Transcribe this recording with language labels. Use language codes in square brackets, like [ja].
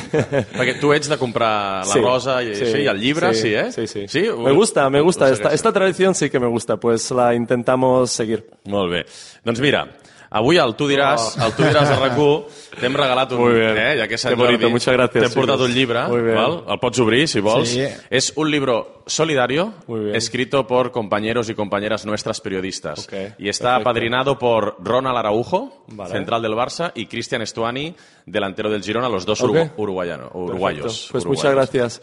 [ca] Perquè tu ets de comprar la sí, rosa i, sí, això, i el llibre, sí, eh? [es] Sí, sí. Sí? Me gusta. Esta tradición sí que me gusta, pues la intentamos seguir. [ca] Molt bé. Doncs mira, avui el tu diràs a RAC1, t'hem regalat un... [es] Muy bien. [ca] Ja que s'ha dit, [es] muchas gracias. [ca] T'hem portat un llibre, val? El pots obrir, si vols. Sí. [es] És un libro solidario, escrito por compañeros y compañeras nuestras periodistas. Okay. Y está apadrinado por Ronald Araujo, central del Barça, y Cristian Estuani, delantero del Girona, los dos uruguayos. Pues uruguayos. Muchas gracias.